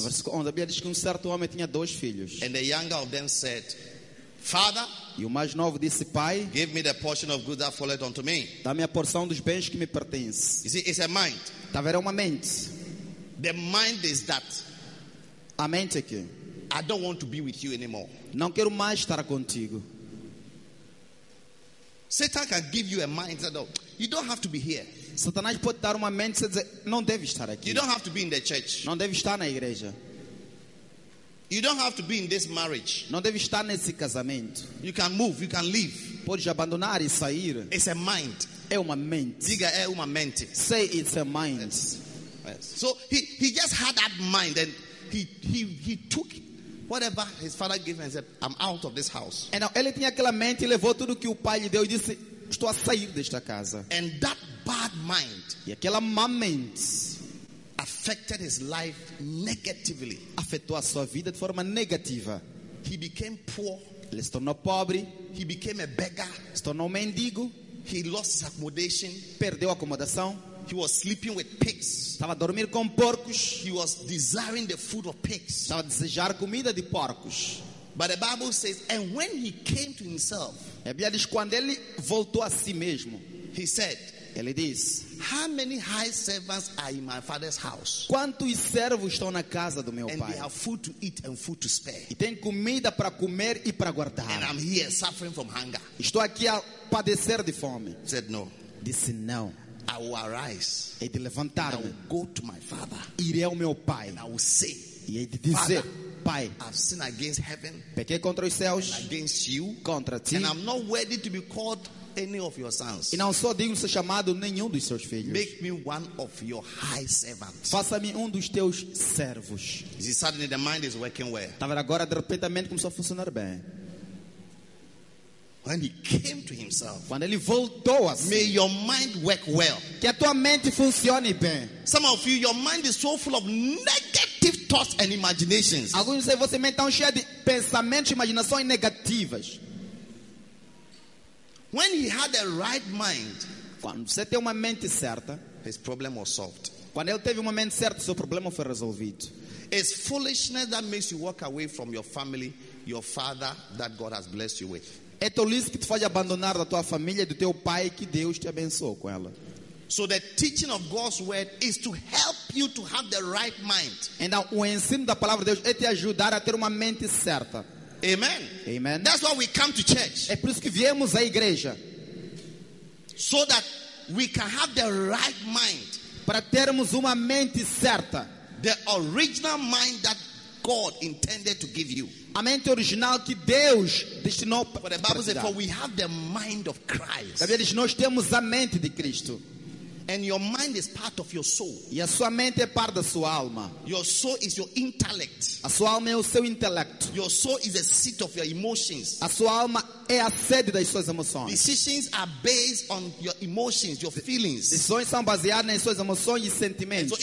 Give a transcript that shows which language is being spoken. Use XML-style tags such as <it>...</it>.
<pt>Versículo 11, a Bíblia diz que certo homem tinha dois filhos.</pt> <en>And the younger of them said, Father,</en> <pt>e o mais novo disse, Pai,</pt> <en>give me the portion of good that falleth unto me.</en> <pt>Dá-me a porção dos bens que me pertence.</pt> <en>You see, it's a mind.</en> <pt>Tá vendo, uma mente.</pt> <en>The mind is that.</en> <pt>A mente que,</pt> <en>I don't want to be with you anymore.</en> <pt>Não quero mais estar contigo.</pt> <en>Satan can give you a mind that don't. You don't have to be here.</en> <pt>Satanás pode dar uma mente que não deve estar aqui.</pt> <en>You don't have to be in the church.</en> <pt>Não deve estar na igreja.</pt> <en>You don't have to be in this marriage.</en> <pt>Não deve estar nesse casamento.</pt> <en>You can move. You can leave.</en> <pt>Pode abandonar e sair.</pt> <en>It's a mind.</en> <pt>É uma mente. Diga, é uma mente.</pt> <en>Say it's a mind. Yes. So he just had that mind, and he took whatever his father gave him and said, I'm out of this house.</en> <pt>E não, ele tinha aquela mente e levou tudo que o pai lhe deu e disse, estou a sair desta casa.</pt> <en>And that bad mind,</en> <pt>e aquela má mente</pt> <en>affected his life negatively.</en> <pt>Afetou a sua vida de forma negativa.</pt> <en>He became poor.</en> <pt>Ele se tornou pobre.</pt> <en>He became a beggar.</en> <pt>Se tornou mendigo.</pt> <en>He lost his accommodation.</en> <pt>Perdeu a acomodação.</pt> <en>He was sleeping with pigs.</en> <pt>Estava a dormir com porcos.</pt> <en>He was desiring the food of pigs.</en> <pt>Estava a desejar comida de porcos.</pt> <en>But the Bible says, and when he came to himself,</en> <pt>a Bíblia diz, quando ele voltou a si mesmo,</pt> <en>he said,</en> <pt>ele diz,</pt> <en>how many high servants are in my father's house?</en> <pt>Quantos servos estão na casa do meu</pt> <en>and</en> <pt>pai?</pt> <en>And they have food to eat and food to spare.</en> <pt>E tem comida para comer e para guardar.</pt> <en>And I'm here suffering from hunger.</en> <pt>Estou aqui a padecer de fome.</pt> <en>Said no.</en> <pt>Disse não.</pt> <en>I will arise.</en> <pt>E de levantar-me.</pt> <en>I will go to my father.</en> <pt>Irei ao meu pai.</pt> <en>And I will say,</en> <pt>e hei de dizer,</pt> <en>father,</en> <pt>pai,</pt> <en>I've sinned against heaven.</en> <pt>Pequei contra os céus.</pt> <en>And against you.</en> <pt>Contra ti.</pt> <en>And I'm not worthy to be called any of your sons.</en> <pt>E não sou digno de ser chamado nenhum dos seus filhos.</pt> <en>Make me one of your high servants.</en> <pt>Faça-me dos teus servos.</pt> <en>Suddenly the mind is working well.</en> <pt>Tava agora de repente a mente começou a funcionar bem.</pt> <en>When he came to himself,</en> <pt>quando ele voltou a si,</pt> <en>may your mind work well.</en> <pt>Que a tua mente funcione bem.</pt> <en>Some of you, your mind is so full of negative thoughts and imaginations.</en> <pt>Alguns dizem, você mente tão cheia de pensamentos e imaginações negativas.</pt> <en>When he had the right mind,</en> <pt>quando você tem uma mente certa,</pt> <en>his problem was solved.</en> <pt>Quando ele teve uma mente certa, seu problema foi resolvido.</pt> <en>It's foolishness that makes you walk away from your family, your father that God has blessed you with.</en> <pt>É tolice que te faz abandonar da tua família e do teu pai que Deus te abençoou com ela.</pt> <en>So the teaching of God's word is to help you to have the right mind.</en> <pt>Então o ensino da palavra de Deus é te ajudar a ter uma mente certa. Amen. Amen.</pt> <en>That's why we come to church.</en> <pt>É por isso que viemos à igreja.</pt> <en>So that we can have the right mind.</en> <pt>Para termos uma mente certa.</pt> <en>The original mind that God intended to give you.</en> <pt>A mente original que Deus destinou para te dar.</pt> <en>For the Bible says, for we have the mind of Christ.</en> <pt>A Bíblia diz, nós temos a mente de Cristo.</pt> <en>And your mind is part of your soul.</en> <pt>E a sua mente é parte da sua alma.</pt> <en>Your soul is your intellect.</en> <pt>A sua alma é o seu intelecto.</pt> <en>Your soul is the seat of your emotions.</en> <pt>A sua alma é a sede das suas emoções.</pt> <en>Decisions are based on your emotions, your feelings.</en> <pt>Decisões são baseadas nas suas emoções e sentimentos.</pt>